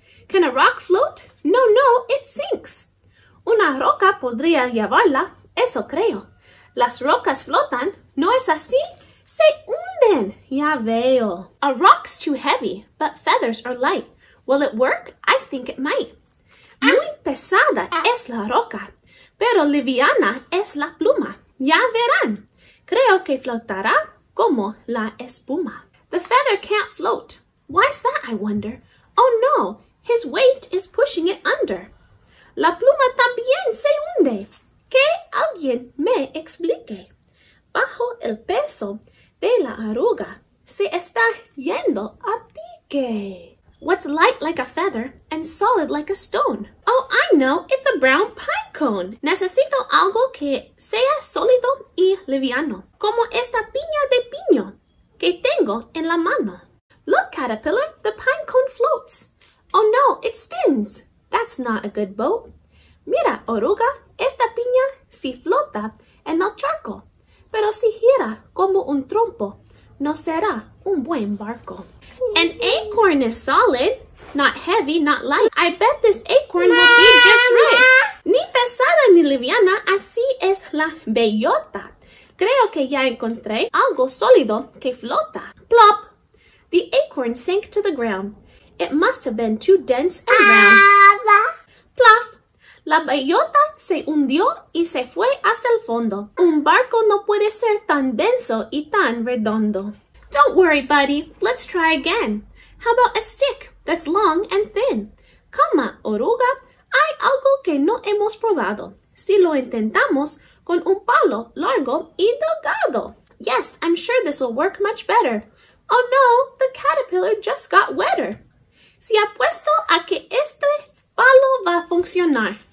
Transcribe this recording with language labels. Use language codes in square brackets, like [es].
[en] Can a rock float? No, no, it sinks. [es] Una roca podría llevarla, eso creo. Las rocas flotan, ¿no es así? Se hunden, ya veo. [en] A rock's too heavy, but feathers are light. Will it work? I think it might. [es] Muy pesada es la roca, pero liviana es la pluma. Ya verán, creo que flotará como la espuma. [en] The feather can't float. Why's that, I wonder? Oh no, his weight is pushing it under. [es] La pluma también se hunde. Que alguien me explique. Bajo el peso de la oruga, se está yendo a pique. [en] What's light like a feather and solid like a stone? Oh, I know, it's a brown pine cone. [es] Necesito algo que sea sólido y liviano, como esta piña de piño que tengo en la mano. [en] Look, caterpillar, the pine cone floats. Oh no, it spins. That's not a good boat. [es] Mira, oruga, esta piña si flota en el charco, pero si gira como un trompo, no será un buen barco. [en] An acorn is solid, not heavy, not light. I bet this acorn will be just right. [es] Ni pesada ni liviana, así es la bellota. Creo que ya encontré algo sólido que flota. [en] Plop! The acorn sank to the ground. It must have been too dense and round. Plop! [es] La bellota se hundió y se fue hasta el fondo. Un barco no puede ser tan denso y tan redondo. [en] Don't worry, buddy. Let's try again. How about a stick that's long and thin? [es] Calma, oruga. Hay algo que no hemos probado. Si lo intentamos con un palo largo y delgado. [en] Yes, I'm sure this will work much better. Oh no, the caterpillar just got wetter. [es] Si apuesto a que este palo va a funcionar.